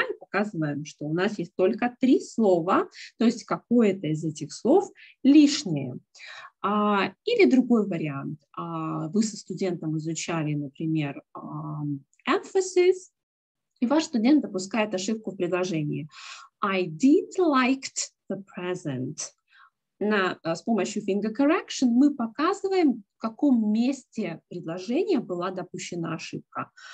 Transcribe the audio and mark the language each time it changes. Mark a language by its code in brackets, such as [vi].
[ru] И показываем, что у нас есть только три слова, то есть какое-то из этих слов лишнее. Или другой вариант. Вы со студентом изучали, например, emphasis, и ваш студент допускает ошибку в предложении. [en] I didn't like the present. [ru] С помощью finger correction мы показываем, в каком месте предложения была допущена ошибка.